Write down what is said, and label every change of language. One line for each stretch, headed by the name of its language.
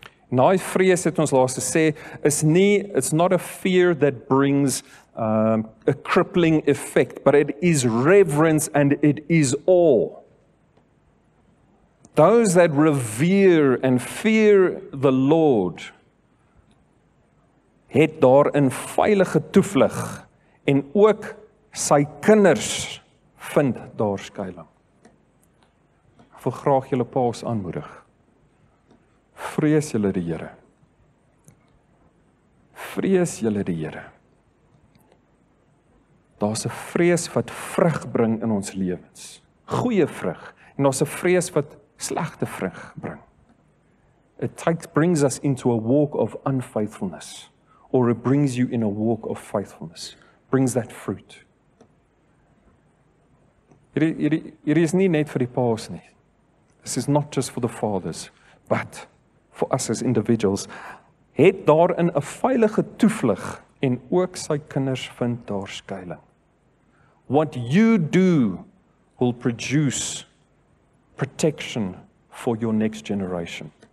Afrikaans: Daai vrees het ons laas gesê
English: it's not a fear that brings a crippling effect, but it is reverence and it is awe. Those that revere and fear the Lord
Afrikaans: het daar 'n veilige toevlug en ook sy kinders vind daar skuilings. Ek wil graag julle paas aanmoedig. Vrees julle die Here. Vrees julle die Here. Daar's 'n vrees wat vrug bring in ons lewens. Goeie vrug. En daar's 'n vrees wat slegte vrug bring.
English: It brings us into a walk of unfaithfulness, or it brings you in a walk of faithfulness, brings that fruit. It is
Afrikaans: nie net vir die paas nie.
English: This is not just for the fathers, but for us as individuals.
Afrikaans: Het daarin 'n veilige toevlug en ook sy kinders vind daar skuilings.
English: What you do will produce protection for your next generation.